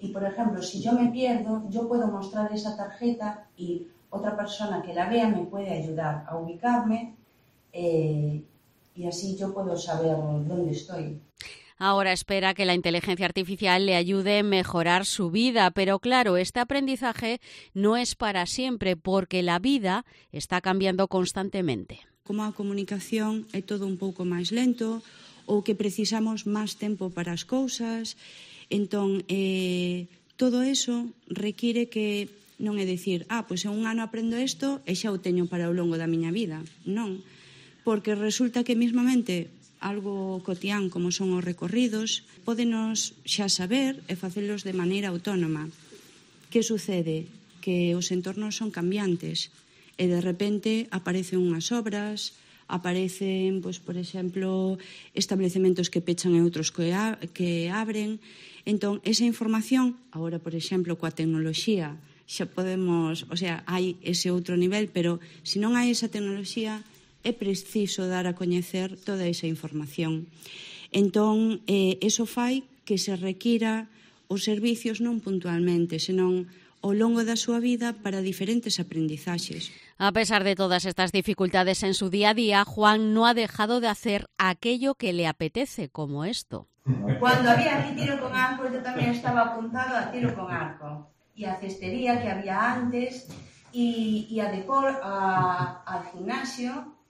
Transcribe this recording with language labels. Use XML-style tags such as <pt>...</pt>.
<es>Y, por ejemplo, si yo me pierdo, yo puedo mostrar esa tarjeta y otra persona que la vea me puede ayudar a ubicarme y así yo puedo saber dónde estoy. Ahora espera que la inteligencia artificial le ayude a mejorar su vida, pero claro, este aprendizaje no es para siempre porque la vida está cambiando constantemente.</es> <gl>Como a comunicación é todo un pouco máis lento ou que precisamos máis tempo para as cousas, entón, todo eso requiere que non é decir, pois en un ano aprendo isto e xa o teño para o longo da miña vida, non, porque resulta que mismamente algo cotián como son os recorridos, pódenos xa saber e facelos de maneira autónoma.</gl> <es>¿Qué sucede?</es> <gl>Que os entornos son cambiantes e de repente aparecen unhas obras, aparecen, pues, por exemplo, establecementos que pechan e outros que abren. Entón, esa información, agora, por exemplo, coa tecnoloxía, xa podemos, o sea, hai ese outro nivel, pero se non hai esa tecnoloxía, é preciso dar a coñecer toda esa información. Entón, eso fai que se requira os servicios non puntualmente, senón ao longo da súa vida para diferentes aprendizaxes.</gl> <es>A pesar de todas estas dificultades en su día a día, Juan no ha dejado de hacer aquello que le apetece, como esto. Cuando había aquí tiro con arco, yo también estaba apuntado a tiro con arco y a cestería que había antes y a decor, al gimnasio.</es>